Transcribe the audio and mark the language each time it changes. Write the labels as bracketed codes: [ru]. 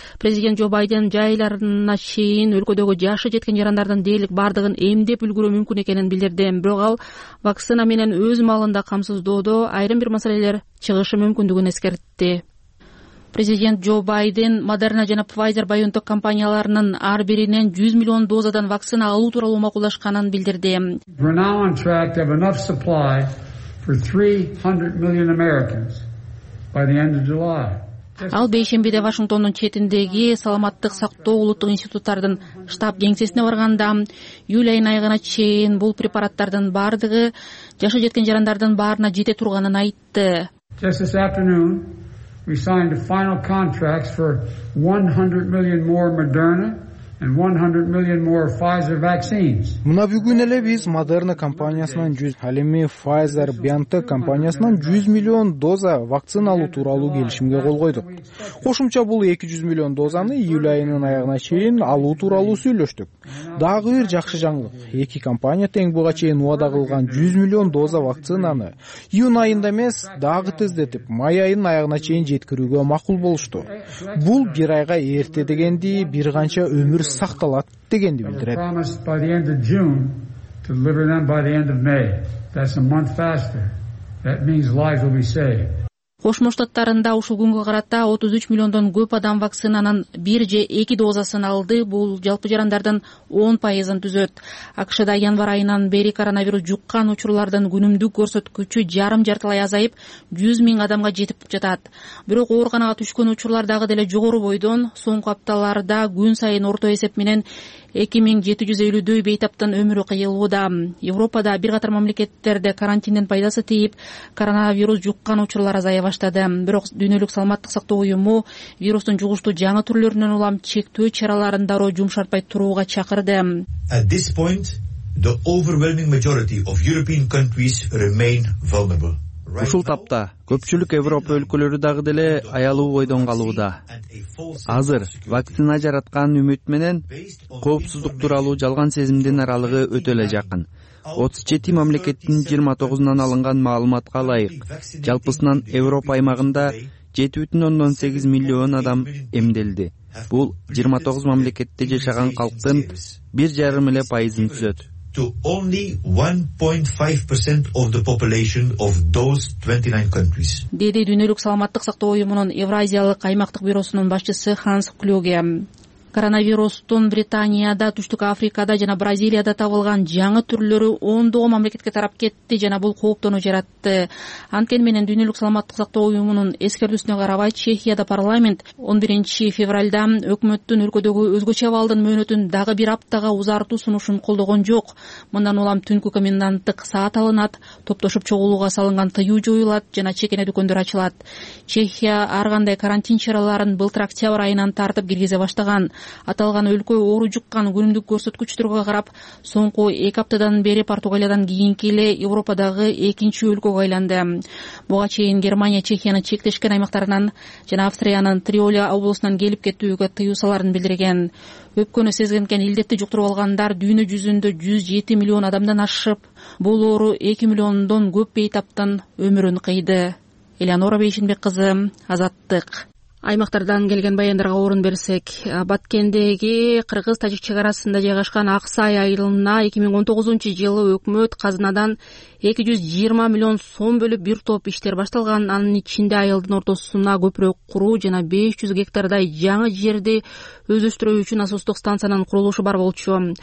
[ky] Президент Джо Байден жай айларына чейин өлкөдөгү жашы жеткен жарандардын дээрлик бардыгын эмдеп үлгүрүү мүмкүн экенин билдирди. Бирок ал вакцина менен өз маалында камсыздоодо айрым бир маселелер чыгышы мүмкүндүгүн эскертти. Президент Джо Байден Moderna жана Pfizer BioNTech компанияларынын ар биринен 100 миллион дозадан вакцина алуу тууралуу макулдашканын билдирди. [en] We're now on track to have enough supply for 300 million Americans by the end of July. [ky] Ал бейшембиде Вашингтондун четиндеги саламаттык сактоо улуттук институттардын штаб кеңсесине барганда, июль айынын аягына чейин бул препараттардын бардыгы жашы жеткен жарандардын баарына жете турганын айтты. [en] Just this afternoon, we signed the final contracts for 100 million more Moderna and 100 million more Pfizer vaccines. [ky] Мына бүгүн эле биз Moderna компаниясынан 100, ал эми Pfizer BioNTech компаниясынан 100 миллион доза вакцина алуу тууралуу келишимге кол койдук. Кошумча бул 200 миллион дозаны июль айынын аягына чейин алуу тууралуу сүйлөштүк. Дагы бир жакшы жаңылык. Эки компания тең буга чейин убада кылган 100 миллион доза вакцинаны июнь айында эмес, дагы тездетип, май айынын аягына чейин жеткирүүгө макул болушту. Бул бир айга эрте дегенди, бир канча өмүр сакталат дегенди билдирет. [en] By the end of June to deliver them by the end of May. That's a month faster. That means lives will be saved. [ky] Кошмо Штаттарында ушул күнгө карата 33 миллиондон көп адам вакцинанын 1 же 2 дозасын алды. Бул жалпы жарандардын 10% түзөт. АКШда январ айынан бери коронавирус жуккан учурлардын күнүмдүк көрсөткүчү жарым жартылай азайып 100 миң адамга жетип жатат. Бирок ооруканага түшкөн учурлар дагы деле жогору бойдон. Соңку апталарда күн сайын орто эсеп менен 2750 бейтаптын өмүрү кыйылууда. Европада бир катар мамлекеттерде карантиндин пайдасы тийип, коронавирус жуккан учурлар азая баштады. Бирок дүйнөлүк саламаттык сактоо уюму вирустун жугуштуу жаңы түрлөрүнөн улам чектөө чараларын дароо жумшартпай турууга чакырды. [en] At this point, the overwhelming majority of European countries remain vulnerable. [ky] Ушул тапта көпчүлүк Европа өлкөлөрү дагы деле аялуу бойдон калууда. Азыр вакцина жараткан үмүт менен коопсуздук тууралуу жалган сезимдин аралыгы өтө эле жакын. 37 мамлекеттин 29-унан алынган маалыматка ылайык, жалпысынан Европа аймагында 7,8 миллион адам эмделди. Бул 29 мамлекетте жашаган калктын 1,5 эле пайызын түзөт. [en] To only 1.5% of the population of those 29 countries. [ky] Деди дүйнөлүк саламаттык сактоо уюмунун Евразиялык аймактык бюросунун башчысы Ханс Клюге. Коронавирустун Британияда, Түштүк Африкада жана Бразилияда табылган жаңы түрлөрү ондогон мамлекетке тарап кетти жана бул кооптонуу жаратты. Анткени менен дүйнөлүк саламаттык сактоо уюмунун эскертүүсүнө карабай, Чехияда парламент 11 февралда өкмөттүн өлкөдөгү өзгөчө абалдын мөөнөтүн дагы бир аптага узартуу сунушун колдогон жок. Мындан улам түнкү коменданттык саат алынат, топтошуп чогулууга салынган тыюу жоюлат жана чекене дүкөндөр ачылат. Чехия ар кандай карантин чараларын былтыр октябрь айынан тартып киргизе баштаган. Аталган өлкө оору жуккан күнүмдүк көрсөткүчтөргө карап, соңку 2 аптадан бери Португалиядан кийинки эле Европадагы экинчи өлкөгө айланды. Буга чейин Германия Чехиянын чектешкен аймактарынан жана Австриянын Триоли облусунан келип кетүүгө тыюу саларын билдирген. Өпкөнү сезгенген илдетти жуктуруп алгандар дүйнө жүзүндө 107 миллион адамдан ашып, бул оору 2 миллиондон көп бейтаптын өмүрүн кыйды. Элеонора Бейшенбек кызы, Азаттык. Аймактардан келген баяндарга орун берсек, Баткендеги кыргыз тажик чекарасында жайгашкан Аксай айылына 2019 жылы өкмөт казынадан 220 миллион сом бөлүп бир топ иштер башталган. Анын ичинде айылдын ортосуна көпүрө куруу жана 500 гектардай жаңы жерди өздөштүрүү үчүн насостук станциянын курулушу бар болчу.